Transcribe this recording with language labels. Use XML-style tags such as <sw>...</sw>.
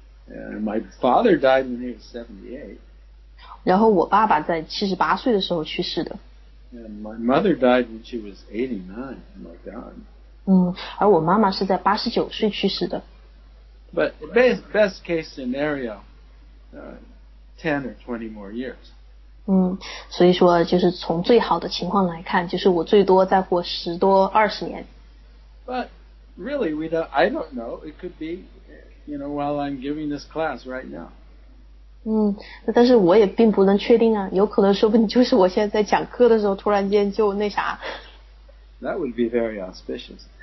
<en>and my father died when he was 78.</en> <zh>然后我爸爸在78岁的时候去世的。</zh> <en>And my mother died when she was 89. My God.</en> <zh>而我妈妈是在89岁去世的。</zh> <en>But best case scenario, 10 or 20 more years.</en> <zh>所以说就是从最好的情况来看，就是我最多再活10多20年。</zh> <en>But really, I don't know. It could be, you know, while I'm giving this class right now.</en> <zh>但是我也并不能确定啊，有可能说不定就是我现在在讲课的时候突然间就那啥。</zh> <en>That would be very auspicious.</en>